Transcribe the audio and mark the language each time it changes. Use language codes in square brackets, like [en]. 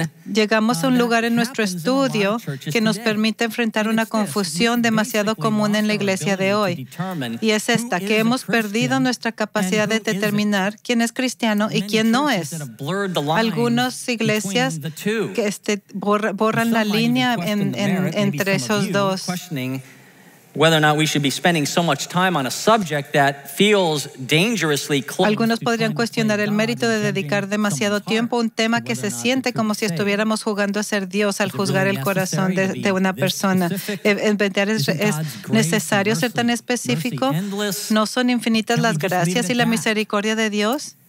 [es] Llegamos a un lugar en nuestro estudio que nos permite enfrentar una confusión demasiado común en la iglesia de hoy. Y es esta, que hemos perdido nuestra capacidad de determinar quién es cristiano y quién no es. Algunas iglesias que borran la línea entre esos dos. [en] Whether or not we should be spending so much time on a subject that feels dangerously close. [es] Algunos podrían cuestionar el mérito de dedicar demasiado tiempo a un tema que se siente como si estuviéramos jugando a ser Dios al juzgar el corazón de una persona. ¿Es necesario ser tan específico? ¿No son infinitas las gracias y la misericordia de Dios?